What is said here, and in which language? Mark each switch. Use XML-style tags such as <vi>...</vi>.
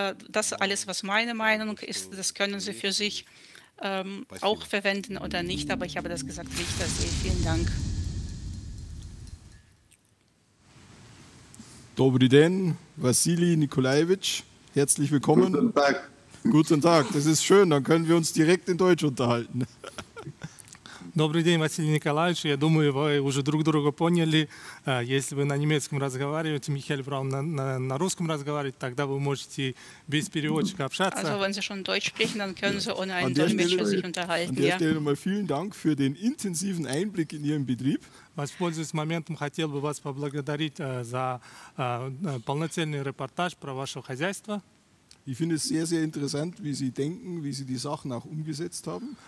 <de>Das alles, was meine Meinung ist, das können Sie für sich auch verwenden oder nicht. Aber ich habe das gesagt, wie ich das sehe. Vielen Dank.</de> <ru>Dobri den,</ru> <de>Vasilij Nikolajewitsch. Herzlich willkommen. Guten Tag. Guten Tag, das ist schön, dann können wir uns direkt in Deutsch unterhalten.</de> <ru>Добрый день, Василий Николаевич. Я думаю, вы уже друг друга поняли. Если вы на немецком разговариваете, Михаэль Браун на русском разговаривает, тогда вы можете без переводчика общаться.</ru> <de>Also, wenn Sie schon Deutsch sprechen, dann können Sie ohne einen Dolmetscher sich unterhalten. An der Stelle nochmal vielen Dank für den intensiven Einblick in Ihren Betrieb.</de> <ru>Воспользуюсь моментом, хотел бы вас поблагодарить за полноценный репортаж про ваше хозяйство.</ru> <de>Ich finde es sehr, sehr interessant, wie Sie denken, wie Sie die Sachen auch umgesetzt haben.</de>